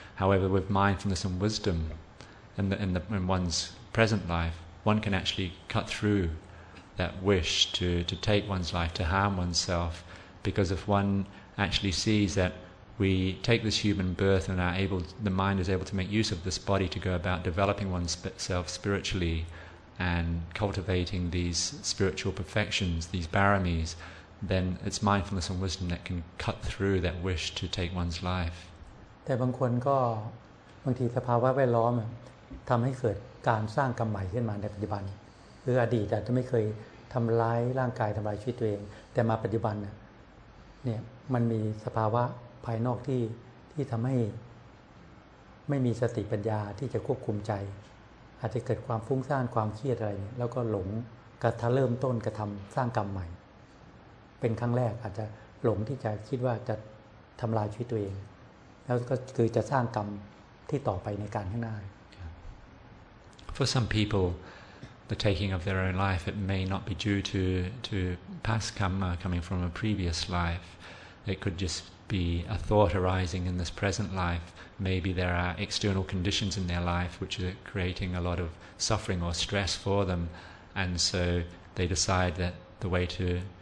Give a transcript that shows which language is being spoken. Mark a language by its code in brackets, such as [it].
[en] However, with mindfulness and wisdom in one's present life, one can actually cut through that wish to take one's life, to harm oneself, because if one actually sees that we take this human birth and the mind is able to make use of this body to go about developing oneself spiritually,and cultivating these spiritual perfections, these baramis, then it's mindfulness and wisdom that can cut through that wish to take one's life. [th] แต่บางคนก็บางทีสภาวะแวดล้อมทำให้เกิดการสร้างกรรมใหม่ขึ้นมาในปัจจุบันคืออดีตอาจจะไม่เคยทำร้ายร่างกายทำร้ายชีวิตตัวเองแต่มาปัจจุบันเนี่ยมันมีสภาวะภายนอกที่ทำให้ ไม่มีสติปัญญาที่จะควบคุมใจอาจจะเกิดความฟุ้งซ่านความเครียดอะไรเนี่ยแล้วก็หลงกระทะเริ่มต้นกระทำสร้างกรรมใหม่เป็นครั้งแรกอาจจะหลงที่จะคิดว่าจะทำลายชีวิตตัวเองแล้วก็คือจะสร้างกรรมที่ต่อไปในการข้างหน้า [en] For some people the taking of their own life it may not be due to past karma coming from a previous life it could just be a thought arising in this present lifeMaybe there are external conditions in their life which are creating a lot of suffering or stress for them, and so they decide that the way to